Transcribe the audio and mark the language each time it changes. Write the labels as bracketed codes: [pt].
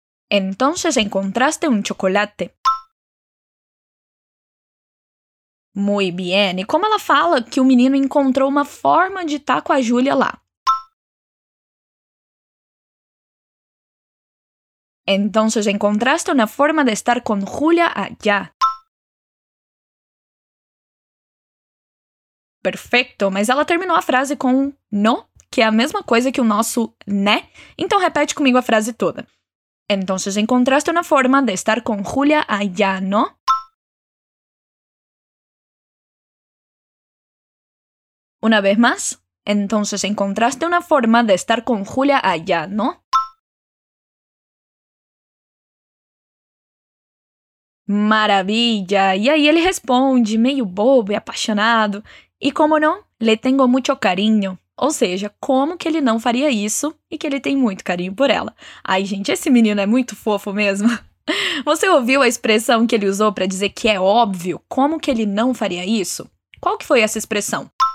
[es] Entonces encontraste un chocolate. Muy bien. [pt] E como ela fala que o menino encontrou uma forma de estar com a Júlia lá? [es] Entonces encontraste una forma de estar con Julia allá. Perfecto. [pt] Mas ela terminou a frase com no, que é a mesma coisa que o nosso né. Então repete comigo a frase toda. [es] Entonces encontraste una forma de estar con Julia allá, ¿no? Una vez más, entonces encontraste una forma de estar con Julia allá, ¿no? Maravilla. Y ahí él responde, medio bobo y apasionado. Y como no, le tengo mucho cariño. [pt] Ou seja, como que ele não faria isso e que ele tem muito carinho por ela? Ai, gente, esse menino é muito fofo mesmo. Você ouviu a expressão que ele usou para dizer que é óbvio como que ele não faria isso? Qual que foi essa expressão?